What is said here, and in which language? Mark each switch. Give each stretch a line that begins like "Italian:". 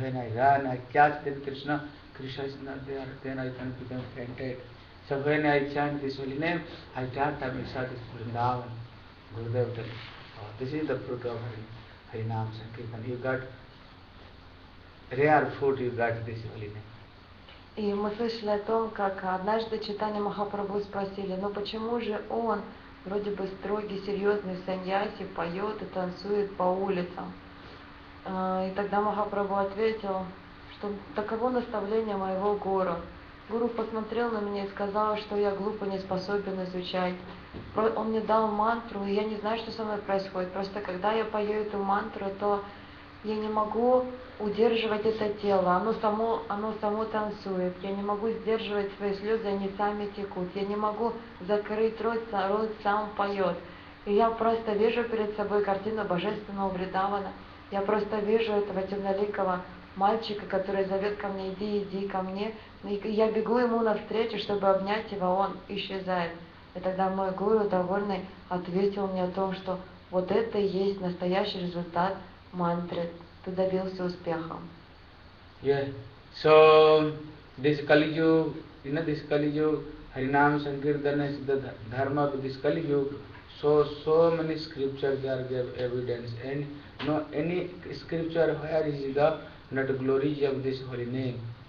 English: And when I run, I catch then Krishna, Krishna is not there, then I can become fainted. So when I chant this holy name, I chant and I saw this Vrindavan, Gurudev. This is the fruit of Harinam Sankirtan. You got rare fruit, you got this holy name.
Russian: И мы слышали о том, как однажды Чайтанья Махапрабху спросили, ну почему же он, вроде бы строгий, серьезный саньяси, поет и танцует по улицам? И тогда Махапрабху ответил, что таково наставление моего гуру. Гуру посмотрел на меня и сказал, что я глупо не способен изучать. Он мне дал мантру, и я не знаю, что со мной происходит. Просто когда я пою эту мантру, то я не могу удерживать это тело, оно само танцует. Я не могу сдерживать свои слезы, они сами текут. Я не могу закрыть рот, рот сам поет. И я просто вижу перед собой картину Божественного Вридавана. Я просто вижу этого темноликого мальчика, который зовет ко мне, иди, иди ко мне. И я бегу ему навстречу, чтобы обнять его, он исчезает. И тогда мой гуру довольный ответил мне о том, что вот это и есть настоящий результат мантры.
English: Yeah. So this Kali Yuga, you know, this Kali Yuga, Harinam Sankirtan is the dharma of this Kali Yuga. So many scriptures are give evidence. And no any scripture where is the not glory of this holy name.